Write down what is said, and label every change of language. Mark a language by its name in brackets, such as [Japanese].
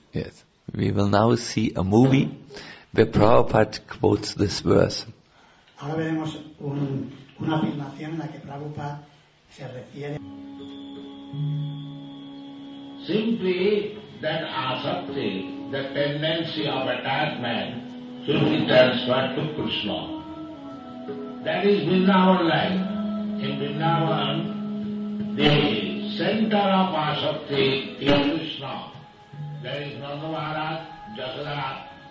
[English] Yes. We will now see a movie where Prabhupada quotes this verse. [Spanish] Ahora veremos una afirmación en la que Prabhupada se refiere. [English] Simply that asakti, the tendency of attachment, should be transferred to Krishna. That is Vrindavan life. In Vrindavan, there is center of Asakti is Krishna. There is Nanda Maharaj, Jasodara.